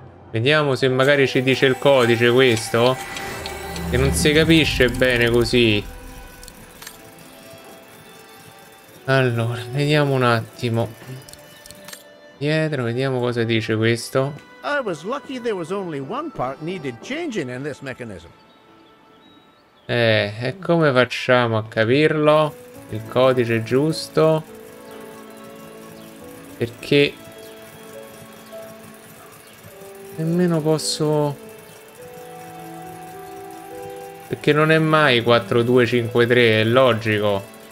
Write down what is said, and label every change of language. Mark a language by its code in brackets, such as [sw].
[it] Vediamo se magari ci dice il codice questo. Che non si capisce bene così. Allora, vediamo un attimo. Dietro, vediamo cosa dice questo. [en] I was lucky there was only one part needed changing in this mechanism. [it] E come facciamo a capirlo? Il codice giusto? Perché nemmeno posso. Perché non è mai 4253, è logico.